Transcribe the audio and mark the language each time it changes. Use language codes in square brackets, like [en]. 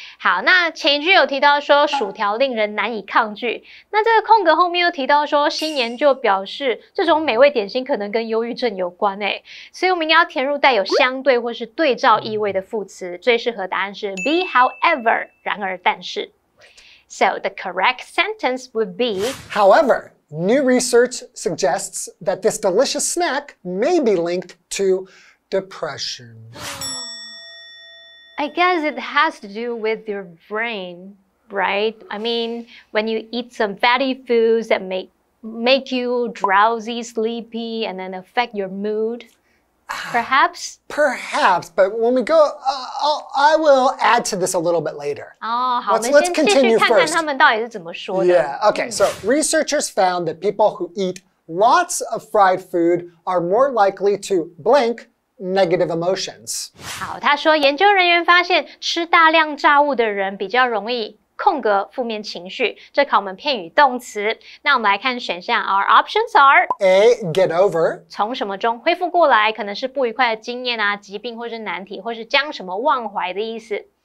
[zh] 好，那前一句有提到说薯条令人难以抗拒，那这个空格后面又提到说新研究表示这种美味点心可能跟忧郁症有关欸，所以我们应该要填入带有相对或是对照意味的副词，最适合答案是 [en] be however， [zh] 然而但是。 [en] So the correct sentence would be However, new research suggests that this delicious snack may be linked to depression. I guess it has to do with your brain, right? I mean, when you eat some fatty foods that make you drowsy, sleepy, and then affect your mood, perhaps? Perhaps, but when we go, I will add to this a little bit later. Let's continue first. [zh] 看看他们到底是怎么说的。 [en] Yeah, okay, so researchers found that people who eat lots of fried food are more likely to blank,negative emotions. [zh] 好，他说研究人员发现吃大量炸物的人比较容易空格负面情绪，这考我们片语动词。那我们来看选项， [en] our options are A. Get over [zh] 从什么中恢复过来，可能是不愉快的经验啊、疾病或是难题，或是将什么忘怀的意思。